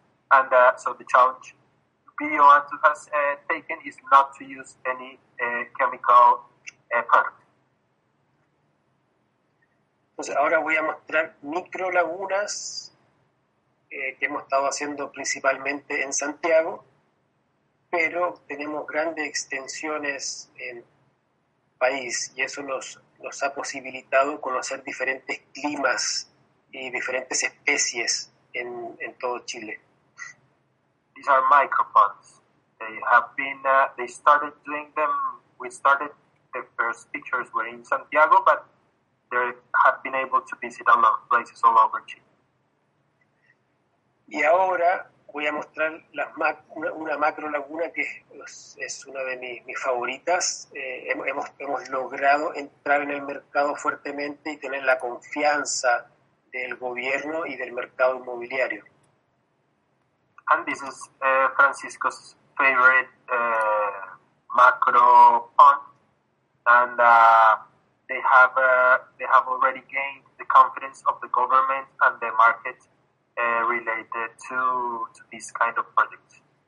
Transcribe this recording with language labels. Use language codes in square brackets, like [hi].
[en] And so the challenge Bioantu has taken is not to use any chemical product. [es] Entonces ahora voy a mostrar micro lagunas que hemos estado haciendo principalmente en Santiago. pero tenemos grandes extensiones en país y eso nos ha posibilitado conocer diferentes climas y diferentes especies en todo Chile. [en] These are micropods. They have been they started doing them. We started the first pictures were in Santiago, but they have been able to visit a lot of places all over Chile. [es] Y ahora voy a mostrar una macro laguna que es una de mis favoritas. Hemos logrado entrar en el mercado fuertemente y tener la confianza del gobierno y del mercado inmobiliario. [en] And this is Francisco's favorite macro pond, and they have already gained the confidence of the government and the market related to this kind of project.